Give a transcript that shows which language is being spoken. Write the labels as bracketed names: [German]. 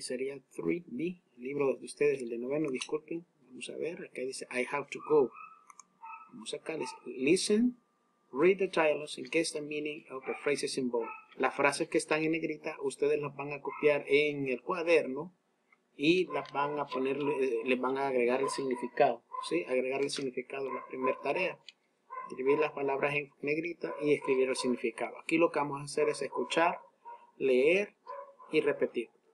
[Spanish] Sería 3D, el libro de ustedes, el de noveno, disculpen. Vamos a ver, acá dice, [English] I have to go. [Spanish] Vamos acá, [English] listen, read the titles and guess the meaning of the phrases in bold. [Spanish] Las frases que están en negrita, ustedes las van a copiar en el cuaderno y las van a poner, les van a agregar el significado. ¿Sí? Agregar el significado es la primera tarea. Escribir las palabras en negrita y escribir el significado. Aquí lo que vamos a hacer es escuchar, leer y repetir.